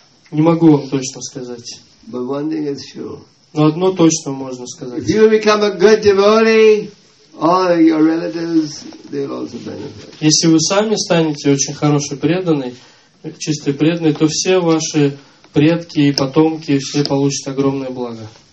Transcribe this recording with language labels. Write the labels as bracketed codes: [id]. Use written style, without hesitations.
[ru] Не могу вам точно сказать. [en] But one thing is sure. [ru] Но одно точно можно сказать. [en] If you become a good devotee, all your relatives, they will also benefit. [ru] Если вы сами станете очень хорошим преданным, чистым преданным, то все ваши предки и потомки все получат огромное благо.